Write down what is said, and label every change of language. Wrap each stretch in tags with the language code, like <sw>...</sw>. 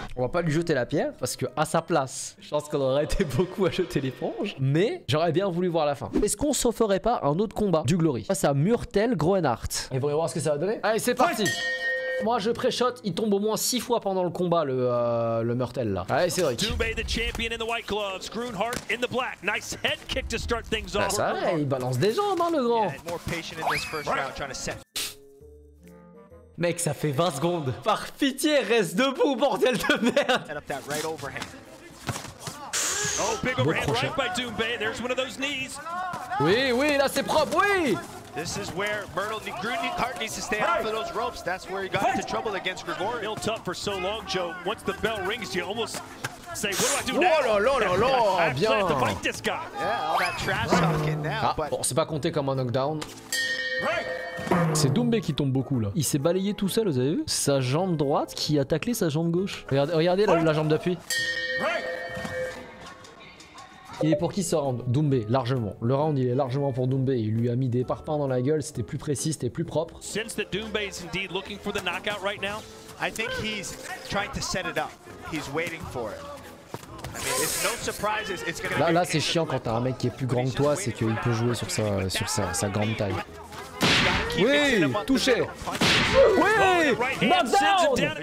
<fr>On va pas lui jeter la pierre parce que à sa place, je pense qu'on aurait été beaucoup à jeter l'éponge. Mais j'aurais bien voulu voir la fin. Est-ce qu'on se ferait pas un autre combat du Glory face à Murtel Groenhart? Et vous allez voir ce que ça va donner. Allez, c'est parti. Ouais. Moi je pré-shot, il tombe au moins 6 fois pendant le combat le Murtel là. Allez, c'est Cédric.</fr> <en>Dumbe the champion in the white gloves, Groenhart in the black. Nice head kick to start things off.</en> <fr>Ça, ouais, il balance des jambes hein, le grand. Mec, ça fait 20 secondes. Par pitié, reste debout, bordel de merde.</fr> <en>Oh, big overhand right by Dumbe. There's one of those knees.</en> <fr>Oui, oui, là c'est propre, oui.</fr> <en>This is where Myrtle Groenhart needs to stay off of those ropes. That's where he got into trouble against Gregorio. Built up for so long, Joe. Once the bell rings, you almost say, what do I do now?</en> <fr>Oh là là là là! Bien!</fr> <en>I plan to fight this guy. Yeah, all that trash talking now.</en> <fr>Ah, bon, c'est pas compté comme un knockdown. Right. C'est Dumbe qui tombe beaucoup là. Il s'est balayé tout seul, vous avez vu? Sa jambe droite qui a taclé sa jambe gauche. Regardez la jambe d'appui. Il est pour qui ce round? Dumbe, largement. Le round, il est largement pour Dumbe. Il lui a mis des parpaings dans la gueule. C'était plus précis, c'était plus propre.</fr> <en>Since that Dumbe is indeed looking for the knockout right now, I think he's trying to set it up. He's waiting for it. I mean, it's no surprises. It's gonna</en> <fr>là, c'est chiant quand t'as un mec qui est plus grand que toi, c'est qu'il peut jouer sur sa grande taille. Oui, touché. Oui, knockdown.</fr>